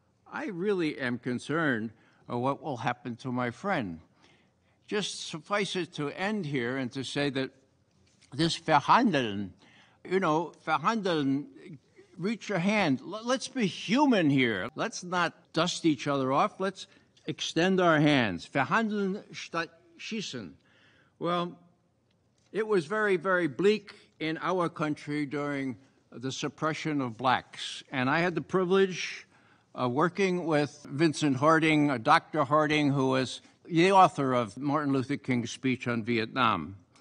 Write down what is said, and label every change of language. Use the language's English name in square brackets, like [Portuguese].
[English] I really am concerned of what will happen to my friend. Just suffice it to end here and to say that this verhandeln, you know, verhandeln, reach your hand. Let's be human here. Let's not dust each other off. Let's extend our hands. [German] Verhandeln statt schießen. [English] Well, it was very, very bleak in our country during the suppression of blacks. And I had the privilege working with Vincent Harding, Dr. Harding, who was the author of Martin Luther King's speech on Vietnam.